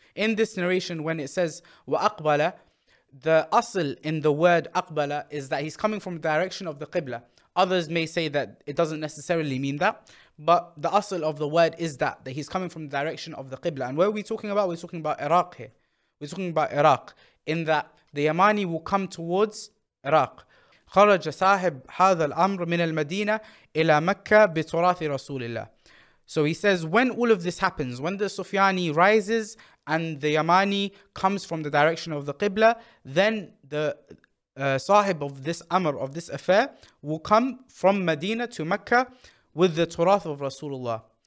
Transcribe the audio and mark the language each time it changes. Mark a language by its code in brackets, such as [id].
[en] In this narration, when it says وَأَقْبَلَ The asl in the word aqbala is that he's coming from the direction of the qibla. Others may say that it doesn't necessarily mean that, but the asl of the word is that he's coming from the direction of the qibla. And what are we talking about? We're talking about Iraq here. We're talking about Iraq, in that the Yamani will come towards Iraq. [ar] خرج صاحب هذا الأمر من المدينة إلى مكة بتراث رسول الله. [en] So he says, when all of this happens, when the Sufyani rises and the Yamani comes from the direction of the Qibla, then the sahib of this amr, of this affair, will come from Medina to Mecca with the turath of Rasulullah.